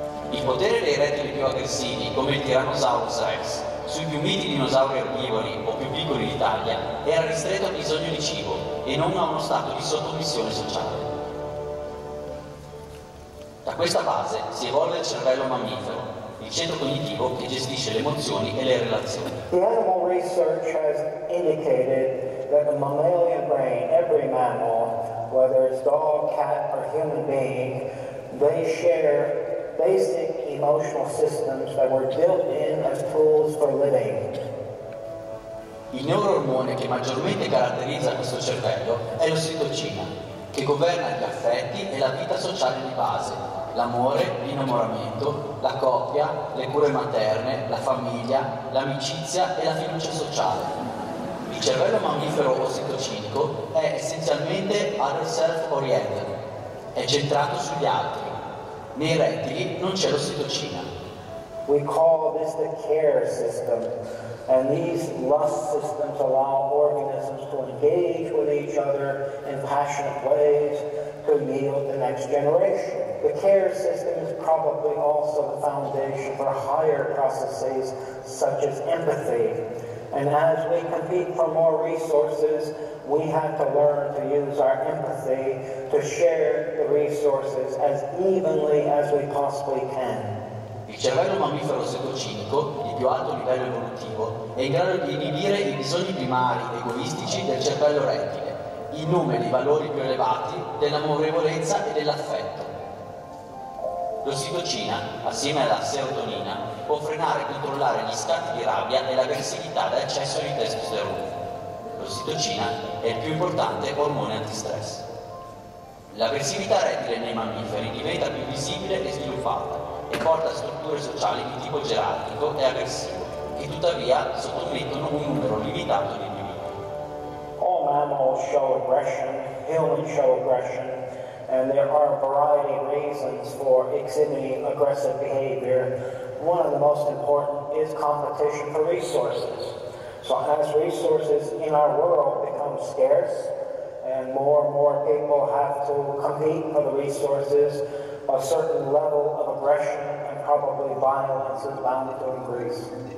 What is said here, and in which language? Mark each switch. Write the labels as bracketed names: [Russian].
[Italian] Il potere dei rettili più aggressivi, come il Tyrannosaurus Rex, sui più miti dinosauri erbivori o più piccoli d'Italia, era ristretto al bisogno di cibo e non a uno stato di sottomissione sociale. Da questa base si evolve il cervello mammifero, il centro cognitivo che gestisce le emozioni e le relazioni. [English] The animal research has indicated that the mammalian brain, every mammal, whether it's dog, cat or human being, they share basic emotional systems that were built in as tools for living. [Italian] Il neuroormone che maggiormente caratterizza questo cervello è l'ossitocina, che governa gli affetti e la vita sociale di base, l'amore, l'innamoramento, la coppia, le cure materne, la famiglia, l'amicizia e la fiducia sociale. Il cervello mammifero ossitocinico è essenzialmente al self-oriented, è centrato sugli altri. Nei rettili non c'è l'ossitocina. [English] We call this the care system. And these lust systems allow organisms to engage with each other in passionate ways to yield the next generation. The care system is probably also the foundation for higher processes such as empathy. And as we compete for more resources, we have to learn to use our empathy to share the resources as evenly as we possibly can. [Italian] Il cervello mammifero ossitocinico, il più alto livello evolutivo, è in grado di inibire i bisogni primari egoistici del cervello rettile, in nome dei valori più elevati dell'amorevolezza e dell'affetto. L'ossitocina, assieme alla serotonina, può frenare e controllare gli scatti di rabbia e l'aggressività da eccesso di testosterone. L'ossitocina è il più importante ormone antistress. L'aggressività rettile nei mammiferi diventa più visibile e sviluppata, e porta a strutture sociali di tipo gerarchico e aggressivo, che tuttavia sottomettono un numero limitato di individui. [English] All mammals show aggression, humans show aggression, and there are a variety of reasons for exhibiting aggressive behavior. One of the most important is competition for resources. So as resources in our world become scarce, and more people have to compete for the resources, a certain level of aggression and probably violence is bound to increase.